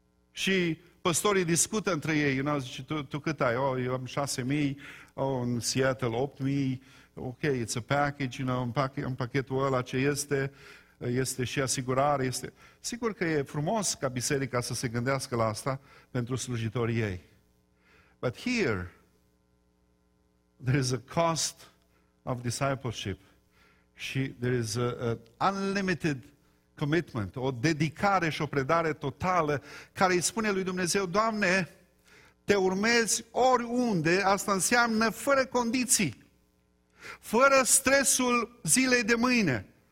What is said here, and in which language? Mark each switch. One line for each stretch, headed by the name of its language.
Romanian: Și păstorii discută între ei, unul zice, tu cât ai? Oh, eu am 6.000, oh, în Seattle 8.000, ok,
English: it's a package, you know,
Romanian: în pachetul ăla ce este, este și asigurare, este... Sigur că e frumos ca biserica să se gândească la asta pentru slujitorii ei.
English: But here, there is a cost of discipleship.
Romanian: Și
English: there is an unlimited commitment,
Romanian: o dedicare și o predare totală, care îi spune lui Dumnezeu, Doamne, te urmezi oriunde, asta înseamnă fără condiții, fără stresul zilei de mâine.